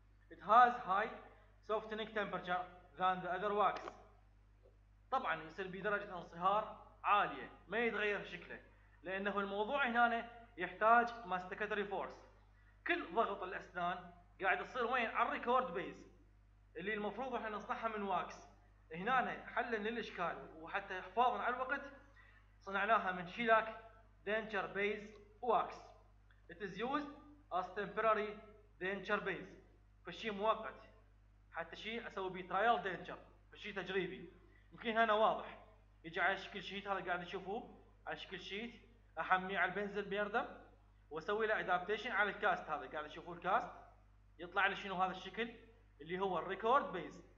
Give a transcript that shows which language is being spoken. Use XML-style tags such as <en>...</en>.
<en>It has high softening temperature than the other wax.</en> <ar>طبعاً يصير بدرجة انصهار عالية، ما يتغير شكله. لأنه الموضوع هنا يحتاج masticatory force. كل ضغط الأسنان قاعد يصير وين؟ على الريكورد بيز. اللي المفروض احنا نصنعها من wax. هنا حلاً للإشكال وحتى حفاظاً على الوقت، صنعناها من شيلاك دينتشر بيز واكس.</ar> <en>It is used as temporary denture base.</en> <ar>فشي مؤقت. حتى شيء اسوي بيه ترايل دينتشر. فشي تجريبي. يمكن هنا واضح. يجي على شكل شيت، هذا قاعد تشوفوه. على شكل شيت. احميه على البنزل بيردم. واسوي له ادابتيشن على الكاست هذا. قاعد تشوفوه الكاست. يطلع لي شنو هذا الشكل؟ اللي هو الريكورد بيز.</ar>